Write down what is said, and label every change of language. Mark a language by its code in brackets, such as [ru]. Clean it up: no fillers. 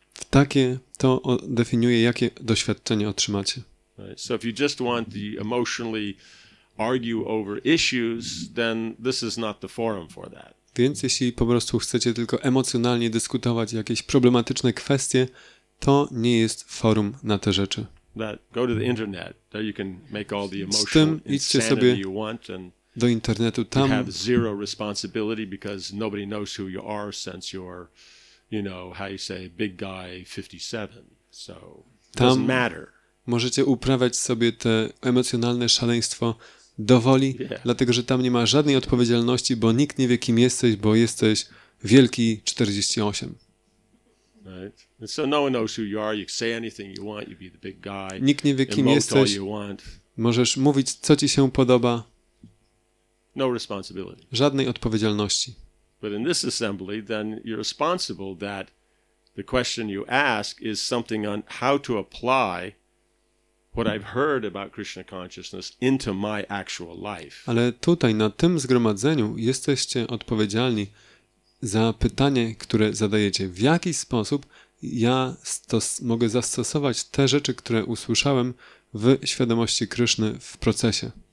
[pl] Takie to definiuje, jakie doświadczenie otrzymacie. [en] So if you just want to emotionally argue over issues, then this is not the forum for that. [pl] Więc jeśli po prostu chcecie tylko emocjonalnie dyskutować jakieś problematyczne kwestie, to nie jest forum na te rzeczy. [en] Go to the internet, there you can make all the emotional insanity you want and [pl] do internetu tam. [en] You have zero responsibility because nobody knows who you are since you're, you know, how you say, big guy 57. So it doesn't matter. [pl] Możecie uprawiać sobie te emocjonalne szaleństwo dowoli, dlatego że tam nie ma żadnej odpowiedzialności, bo nikt nie wie, kim jesteś, bo jesteś wielki 48. [en] Right. And so no one knows who you are. You can say anything you want. You be the big guy. [pl] Nikt nie wie, kim jesteś. Możesz mówić, co ci się podoba. [en] No responsibility. [pl] Żadnej odpowiedzialności. [en] But in this assembly, then you're responsible that the question you ask is something on how to apply what I've heard about Krishna consciousness into my actual life. [pl] Ale tutaj, na tym zgromadzeniu, jesteście odpowiedzialni za pytanie, które zadajecie. W jaki sposób ja mogę zastosować te rzeczy, które usłyszałem w świadomości Kryszny w procesie?